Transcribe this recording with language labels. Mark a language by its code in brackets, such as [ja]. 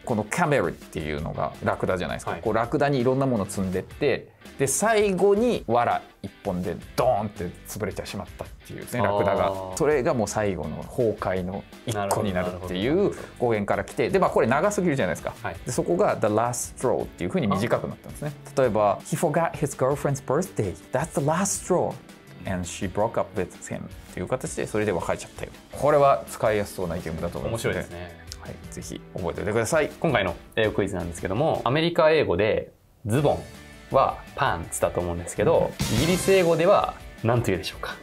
[ja] このカメルっていうのがラクダじゃないですか、はい、こうラクダにいろんなものを積んでって、で最後に藁一本でドーンって潰れてしまったっていうですね、ラクダが、それがもう最後の崩壊の一個になるっていう語源から来て、でまあこれ長すぎるじゃないですか、はい、でそこが [en] The last straw [ja] っていう風に短くなったんですね。 [en] 例えば He forgot his girlfriend's birthday. That's the last straw. And she broke up with him [ja] という形でそれで別れちゃったよ。これは使いやすそうなイテムだと思います。面白いですね、はい、ぜひ覚えておいてください。今回の英語クイズなんですけども、アメリカ英語でズボンはパンツだと思うんですけど、イギリス英語では何と言うでしょうか。